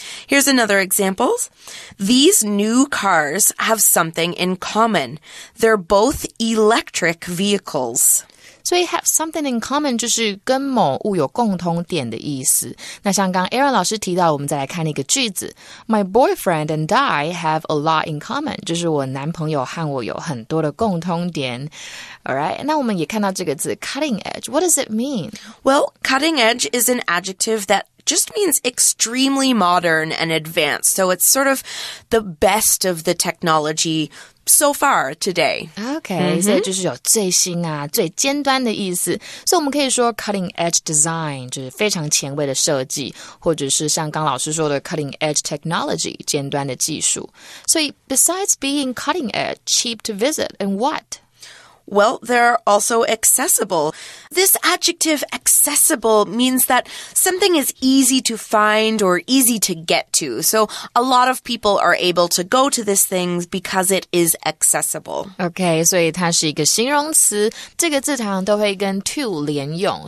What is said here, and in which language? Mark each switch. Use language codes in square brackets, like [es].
[en] Here's another example. These new cars have something in common. They're both electric vehicles. [zh] So you have something in common 就是跟某物有共通点的意思。那像刚 Aaron 老师提到，我们再来看一个句子。 [en] My boyfriend and I have a lot in common. [zh] 就是我男朋友和我有很多的共通点。 [en] Alright, [zh] 那我们也看到这个字 [en] cutting edge. What does it mean? Well, cutting edge is an adjective that just means extremely modern and advanced. So it's sort of the best of the technology so far today. Okay, mm-hmm. [zh] 所以就是有最新啊，最尖端的意思。所以我们可以说 [en] cutting edge design, [zh] 就是非常前卫的设计，或者是像刚老师说的 [en] cutting edge technology, [zh] 尖端的技术。 [en] 所以 besides being cutting edge, cheap to visit, and what? Well, they're also accessible. This adjective accessible means that something is easy to find or easy to get to. So a lot of people are able to go to this thing because it is accessible. [zh] Okay, 所以它是一个形容词。这个字常都会跟 to 连用。